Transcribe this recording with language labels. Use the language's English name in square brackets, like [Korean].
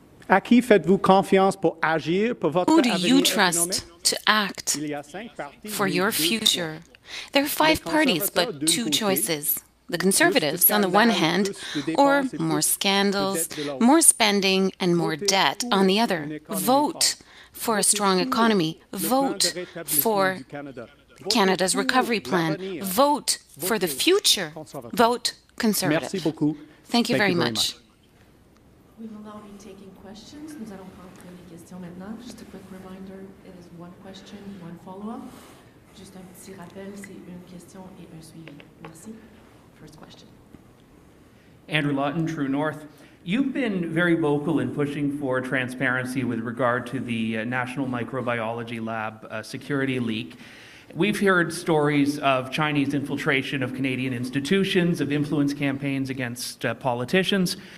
[French] À qui faites-vous confiance pour agir pour votre [English] Who do you trust to act for your future? There are five parties, but two choices. The Conservatives, on the one hand, or more scandals, more spending, and more debt, on the other. Vote for a strong economy. Vote for Canada's recovery plan. Vote for the future. Vote Conservative. Thank you very much. We will now be taking questions. [French] Nous allons prendre les questions maintenant. [English] Just a quick reminder, it is one question, one follow-up. [French] Just un petit rappel, c'est une question et un suivi. Merci. [English] First question. Andrew Lawton, True North. You've been very vocal in pushing for transparency with regard to the National Microbiology Lab security leak. We've heard stories of Chinese infiltration of Canadian institutions, of influence campaigns against politicians.